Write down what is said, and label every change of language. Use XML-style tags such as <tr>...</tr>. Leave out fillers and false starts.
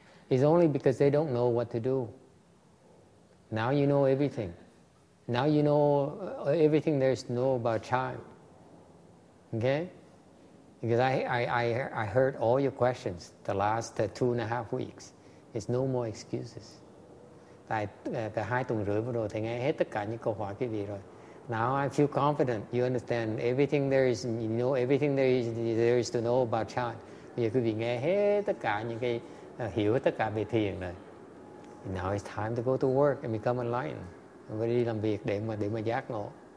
<en>It's only because they don't know what to do. Now you know everything. Now you know everything there is to know about child. Okay? Because I heard all your questions the last 2.5 weeks. It's no more excuses.</en> <vi>Tại cả 2 tuần rưỡi vừa rồi thì nghe hết tất cả những câu hỏi quý vị rồi.</vi> <en>Now I feel confident. You understand everything there is. You know everything there is to know about child.</en> <vi>Bây giờ quý vị nghe hết tất cả những cái hiểu tất cả về thiền này.</vi> <en>Now it's time to go to work and become enlightened.</en> <vi>Và đi làm việc để mà giác ngộ.</vi>